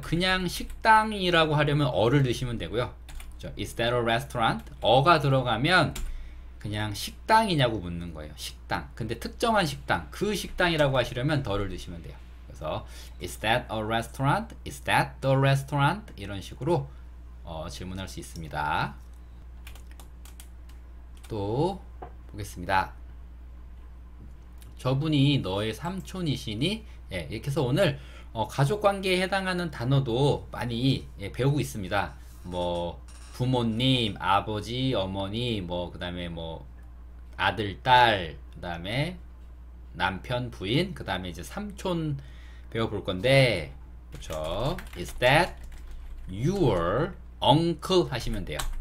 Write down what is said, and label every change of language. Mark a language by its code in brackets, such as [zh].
[ko] 그냥 식당이라고 하려면 어를 넣으시면 되고요. 그쵸. [en] Is that a restaurant? [ko] 어가 들어가면 그냥 식당이냐고 묻는 거예요. 식당. 근데 특정한 식당. 그 식당이라고 하시려면 덜을 넣으시면 돼요. 그래서 [en] Is that a restaurant? Is that the restaurant? [ko] 이런 식으로 질문할 수 있습니다. 또 보겠습니다. 저분이 너의 삼촌이시니? 예, 이렇게 해서 오늘 가족관계에 해당하는 단어도 많이 예, 배우고 있습니다. 뭐 부모님, 아버지, 어머니, 뭐그 다음에 뭐 아들, 딸, 그 다음에 남편, 부인, 그 다음에 이제 삼촌 배워볼 건데, 그렇죠? [en] Is that your uncle [ko] 하시면 돼요.